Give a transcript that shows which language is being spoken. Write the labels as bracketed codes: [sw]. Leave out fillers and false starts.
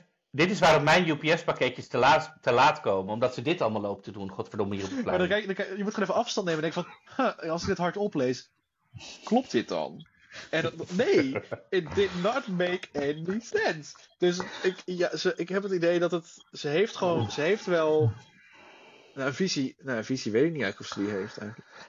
[nl] Dit is waarom mijn UPS-pakketjes te laat komen, omdat ze dit allemaal lopen te doen. Godverdomme, hier op het plein. Maar dan je moet gewoon even afstand nemen en denken van, als ik dit hard oplees, klopt dit dan? En nee, [en] it did not make any sense. [nl] Dus ik heb het idee dat het... Ze heeft wel... Een visie weet ik niet eigenlijk of ze die heeft eigenlijk.